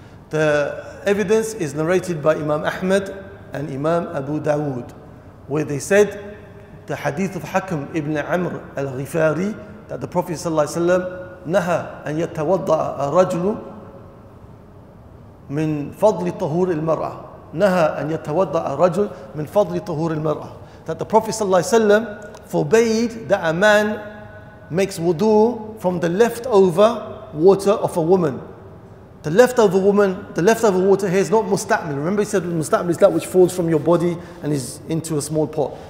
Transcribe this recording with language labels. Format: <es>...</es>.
<en>The evidence is narrated by Imam Ahmad and Imam Abu Dawood, where they said the hadith of Hakim ibn Amr al-Ghifari that the Prophet ﷺ</en> <ar>نهى أن يتوضأ الرجل من فضل طهور المرأة. نهى أن يتوضأ الرجل من فضل طهور المرأة.</ar> <en>That the Prophet ﷺ forbade that a man makes wudu from the leftover water of a woman. The leftover woman, the leftover water here is not mustaqmil. Remember he said mustaqmil is that which falls from your body and is into a small pot.</en>